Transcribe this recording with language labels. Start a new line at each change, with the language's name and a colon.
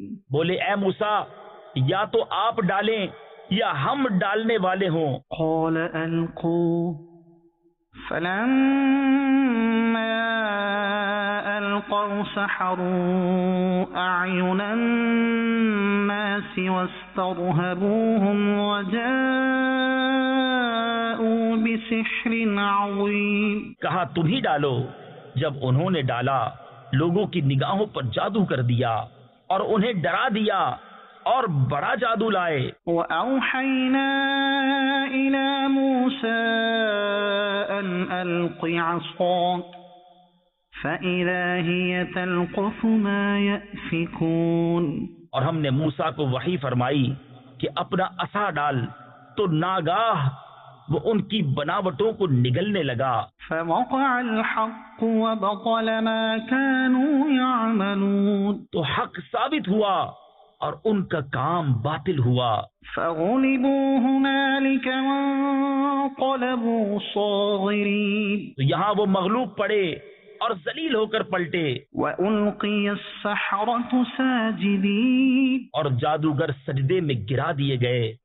Urdu: بولے اے موسیٰ یا تو آپ ڈالیں یا ہم ڈالنے والے ہوں.
Arabic: قال ألقوا فلما ألقوا سحروا أعين الناس واسترهبوهم وجاءوا بسحر عظيم.
Urdu: کہا تم ہی ڈالو جب انہوں نے ڈالا لوگوں کی نگاہوں پر جادو کر دیا اور انہیں ڈرا دیا اور بڑا جادو لائے.
Arabic: وَأَوْحَيْنَا إِلَى مُوسَىٰ أَنْ أَلْقِ عَصَاكَ الصراط فإذا هي تلقف ما يأفكون
Urdu: اور ہم نے موسیٰ کو وحی فرمائی کہ اپنا عصا ڈال تو ناگاہ وہ ان کی بناوٹوں کو نگلنے لگا
Arabic: فوقع الحق وبطل ما كانوا يعملون
Urdu: تو حق ثابت ہوا اور ان کا کام باطل ہوا
Arabic: فغلبوا هنالك وانقلبوا صاغرين
Urdu: تو یہاں وہ مغلوب پڑے اور ذلیل ہو کر پلٹے
Arabic: وَأُلْقِيَ السَّحْرَةُ سَاجِدِينَ
Urdu: اور جادوگر سجدے میں گرا دیے گئے